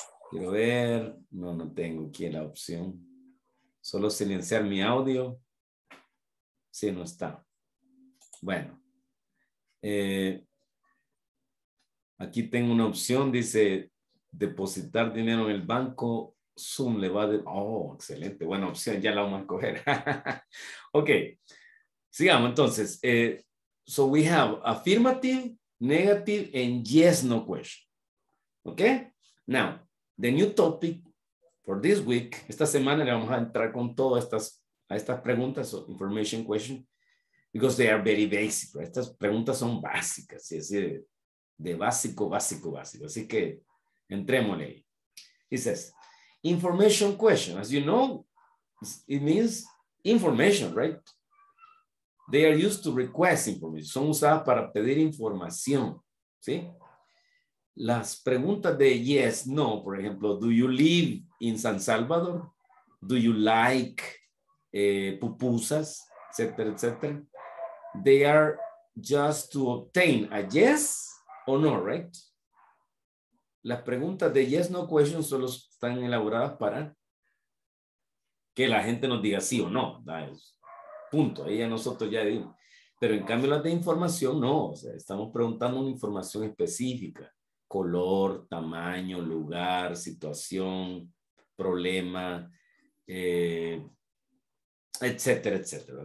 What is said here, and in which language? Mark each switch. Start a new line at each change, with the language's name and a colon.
Spanish: Quiero ver, no tengo aquí la opción. Solo silenciar mi audio. Sí, no está. Bueno. Aquí tengo una opción, dice depositar dinero en el banco. Zoom le va a... excelente, buena opción, ya la vamos a escoger. Ok, sigamos entonces.
English: So we have affirmative, negative, and yes, no question. Ok, now. The new topic for this week,
Spanish: esta semana le vamos a entrar con todas estas preguntas,
English: so information question, because they are very basic. Right?
Spanish: Estas preguntas son básicas, es decir, de básico, básico, básico. Así que entrémosle ahí.
English: He says, information question. As you know, it means information, right? They are used to request information.
Spanish: Son usadas para pedir información, ¿sí? Las preguntas de
English: yes, no,
Spanish: por ejemplo,
English: do you live in San Salvador? Do you like pupusas,
Spanish: etcétera, etcétera?
English: They are just to obtain a yes or no, right?
Spanish: Las preguntas de
English: yes, no questions
Spanish: solo están elaboradas para que la gente nos diga sí o no. Punto, ahí ya nosotros ya dimos. Pero en cambio las de información, no. O sea, estamos preguntando una información específica. Color, tamaño, lugar, situación, problema, etcétera, etcétera.